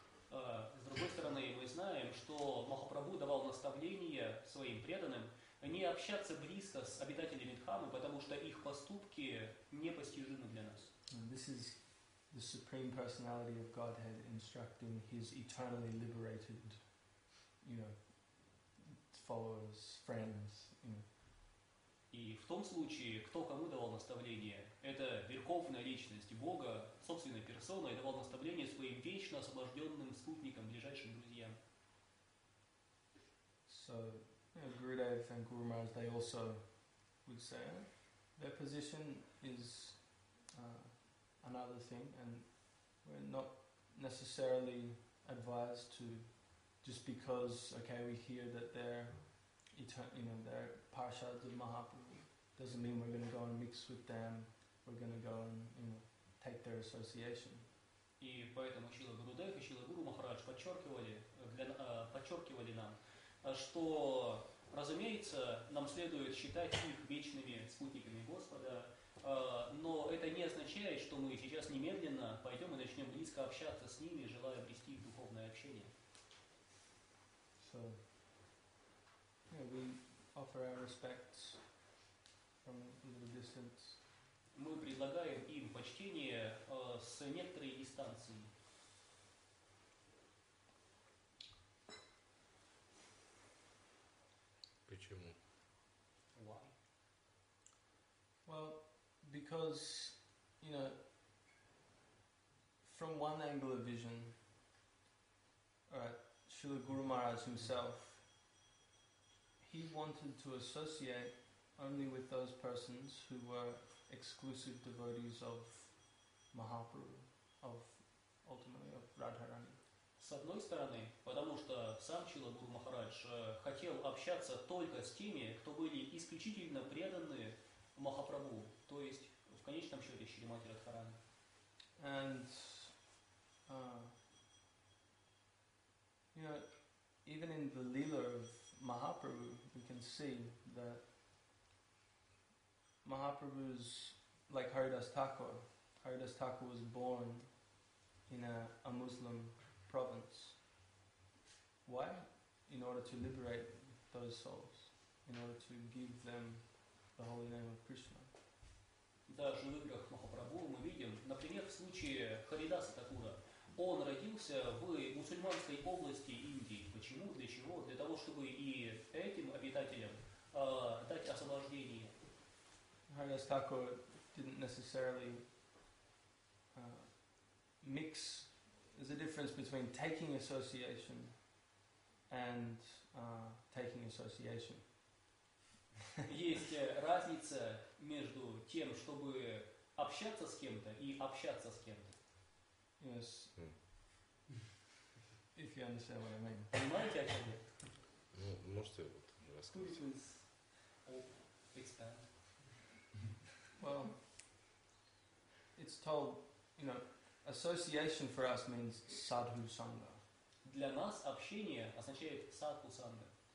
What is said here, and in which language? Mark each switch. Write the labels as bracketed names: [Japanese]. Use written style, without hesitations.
[Russian] С другой стороны, мы знаем, что Махапрабху давал наставление своим преданным не общаться близко с обитателями Дхамы, потому что их поступки непостижимы для нас. [English] This is, the Supreme Personality of Godhead instructing his eternally liberated, you know, followers, friends, you know. [Russian] И в том случае, кто кому давал наставление? Это верховная личность Бога, собственной персоной, давал наставление своим вечно освобожденным спутникам, ближайшим друзьям. [English] So, you know, Gurudev and Guru Maharaj, they also would say their position is another thing, and we're not necessarily advised to just because, okay, we hear that they're they're parishads of Mahaprabhu, doesn't mean we're going to go and mix with them, we're going to go and, you know, take their association. [Russian] И поэтому Шрила Гурудев и Шрила Гуру Махарадж подчеркивали нам, что, разумеется, нам следует считать их вечными спутниками Господа, но это не означает, что мы сейчас немедленно пойдем и начнем близко общаться с ними, желая обрести их духовное общение. [English] So, yeah, we offer our respects from a little distance. [Russian] Мы предлагаем им почтение с некоторой дистанции. Почему? [English] Why? Well, because, you know, from one angle of vision, Srila Guru Maharaj himself, he wanted to associate only with those persons who were exclusive devotees of Mahaprabhu, ultimately of Radharani. [Russian] С одной стороны, потому что сам Шрила Гуру Махарадж хотел общаться только с теми, кто были исключительно преданы Махапрабху, то есть в конечном счете Шримати Радхарани. [English] And you know, even in the Leela of Mahaprabhu, we can see that Mahaprabhu's, like Haridas Thakur was born in a Muslim province. Why? In order to liberate those souls, in order to give them the holy name of Krishna. [Russian] Даже в играх Махапрабху мы видим, например, в случае Харидаса Такура, он родился в мусульманской области Индии. Почему? Для чего? Для того, чтобы и этим обитателям дать освобождение. [English] Харидас Такур didn't necessarily mix. There's a difference between taking association and taking association. [Russian] Есть разница между тем, чтобы общаться с кем-то и общаться с кем-то. [English] Yes. If you understand what I mean. [Russian] Понимаете, о чем я? Ну, можете вот рассказать. [English] Could you expand? Well, it's told, you know, association for us means sadhu sangha. [Russian] Для нас общение означает sadhu sangha.